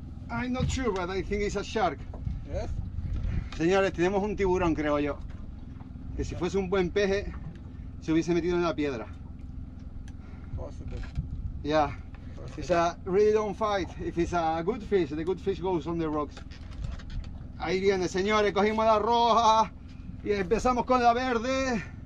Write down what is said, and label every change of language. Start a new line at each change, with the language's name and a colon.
English: I'm not sure, but I think it's a shark. Yes?
Spanish: Señores, tenemos un tiburón, creo yo. Que si fuese un buen peje, se hubiese metido en la piedra.
English: Possible. Yeah. Possible. It's a really don't fight. If it's a good fish, the good fish goes on the rocks.
Spanish: Ahí viene, señores, cogimos la roja y empezamos con la verde.